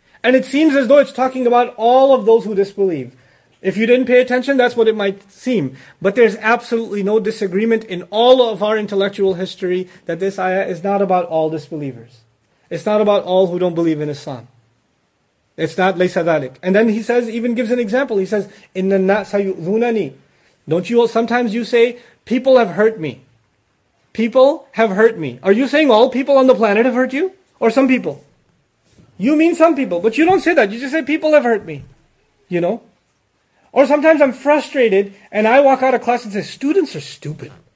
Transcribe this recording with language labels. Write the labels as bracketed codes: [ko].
[en] And it seems as though it's talking about all of those who disbelieve. If you didn't pay attention, that's what it might seem. But there's absolutely no disagreement in all of our intellectual history that this ayah is not about all disbelievers. It's not about all who don't believe in Islam. It's not [ar] laysa dhalik. [en] And then he says, even gives an example. He says, [ar] إِنَّ النَّاسَ يُؤْذُونَنِي. [en] Don't you, sometimes you say, people have hurt me. People have hurt me. Are you saying all people on the planet have hurt you? Or some people? You mean some people, but you don't say that. You just say, people have hurt me. You know? Or sometimes I'm frustrated and I walk out of class and say, students are stupid.